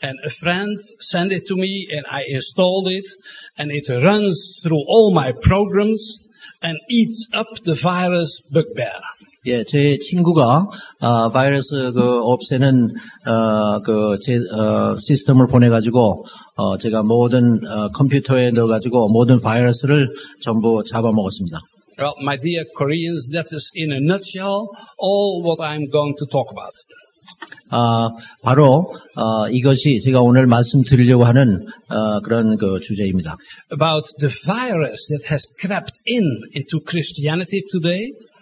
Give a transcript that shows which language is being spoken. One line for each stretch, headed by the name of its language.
English: And a friend sent it to me and I installed it and it runs through all my programs and eats up the virus Bugbear.
Korean: 예, 제 친구가 바이러스 그 없애는 그 제 시스템을 보내 가지고 제가 모든 컴퓨터에 넣어 가지고 모든 바이러스를 전부 잡아먹었습니다.
English: Well, my dear Koreans, that is in a nutshell all what I'm going to talk about.
Korean: 바로 이것이 제가 오늘 말씀드리려고 하는 그런 그 주제입니다.
English: About the virus that has crept into Christianity today.